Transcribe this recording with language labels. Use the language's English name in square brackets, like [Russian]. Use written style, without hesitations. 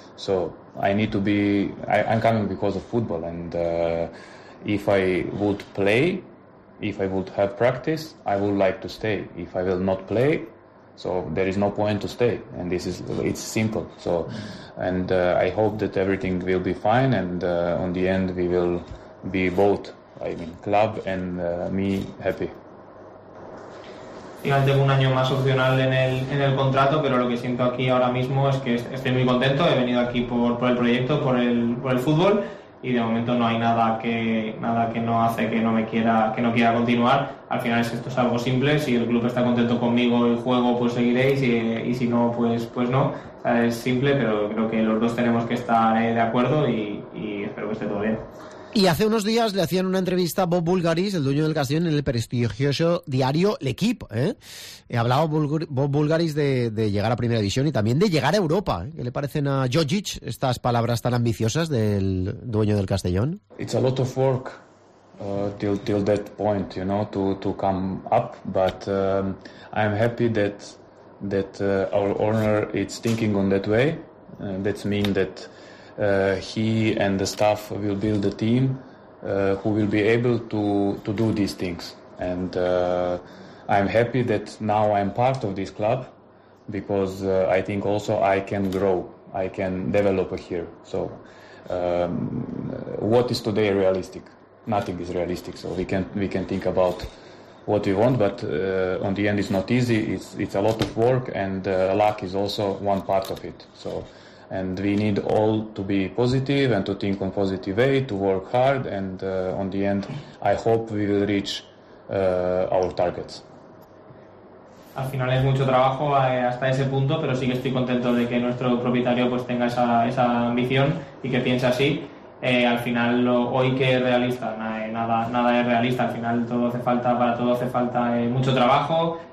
[English] So I need to be. I'm coming because of football, and if I would play, if I would have practice, I would like to stay. If I will not play, so there is no point to stay, and this is, it's simple. So, and I hope that everything will be fine, and on the end we will be both, I mean, club and me, happy. [Spanish] Final, tengo un año más opcional en el contrato, pero lo que siento aquí ahora mismo es que estoy muy contento. He venido aquí por el proyecto, por el fútbol, y de momento no hay nada que no hace que no quiera continuar. Al final esto es algo simple. Si el club está contento conmigo y juego, pues seguiréis, y si no, pues no. O sea, es simple, pero creo que los dos tenemos que estar de acuerdo y espero que esté todo bien. Y hace unos días le hacían una entrevista a Bob Bulgaris, el dueño del Castellón, en el prestigioso diario L'Equipe, ¿eh? Hablaba Bob Bulgaris de llegar a Primera División y también de llegar a Europa, ¿eh? ¿Qué le parecen a Jokic estas palabras tan ambiciosas del dueño del Castellón? [English] It's a lot of work till that point, you know, to come up, but I'm happy that our owner is thinking on that way. That means that he and the staff will build a team who will be able to do these things, and I'm happy that now I'm part of this club, because I think also I can grow, I can develop here. So what is today realistic? Nothing is realistic, so we can think about what we want, but on the end it's not easy, it's a lot of work, and luck is also one part of it. So, and we need all to be positive and to think on positive way, to work hard, and on the end, I hope we will reach our targets. [Spanish] Al final es mucho trabajo hasta ese punto, pero sí que estoy contento de que nuestro propietario pues tenga esa ambición y que piense así. Al final, hoy que es realista, nada es realista. Al final para todo hace falta mucho trabajo.